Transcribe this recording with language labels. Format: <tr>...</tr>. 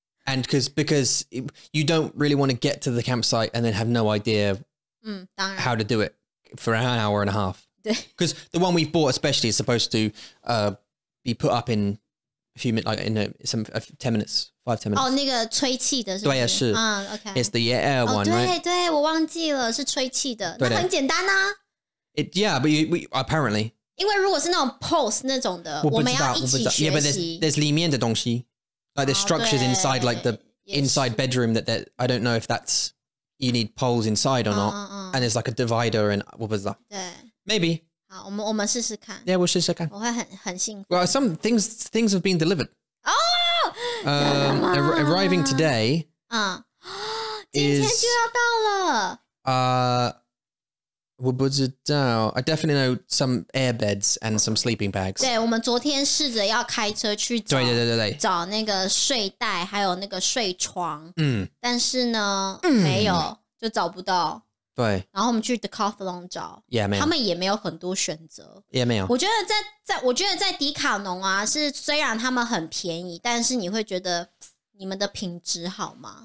<en>And because you don't really want to get to the campsite and then have no idea.</en> <zh>嗯，当然。</zh> <en>How to do it for an hour and a half.</en> <zh>对。</zh> <en>Because the one we've bought especially is supposed to, be put up in a few minutes, like in ten minutes.</en> <zh>哦，那个吹气的是不是？对啊，是。嗯，OK.</zh> <en>It's the air one, right?</en> <zh>对对，我忘记了，是吹气的。那很简单啊。</zh> <en>It, yeah, but we apparently.</en> <zh>因为如果是那种 post 那种的，我们要一起学习。</zh> <en>Yeah, but there's 里面的东西 like the structures inside, like the inside bedroom that I don't know if that's you need poles inside or not. And there's like a divider and what was that? Maybe.</en> <zh>好，我们试试看。 Yeah, 我试试看。我会很兴奋。</zh> <en>Well, some things have been delivered. Oh, arriving today.</en> <zh>嗯，今天就要到了。</zh> <en>I definitely know some air beds and some sleeping bags.</en> <zh>对，我们昨天试着要开车去找，对对对对，找那个睡袋，还有那个睡床。嗯，但是呢，没有，就找不到。对，然后我们去 Decathlon 找，也没有，他们也没有很多选择，也没有。我觉得在迪卡侬啊，是虽然他们很便宜，但是你会觉得你们的品质好吗？</zh>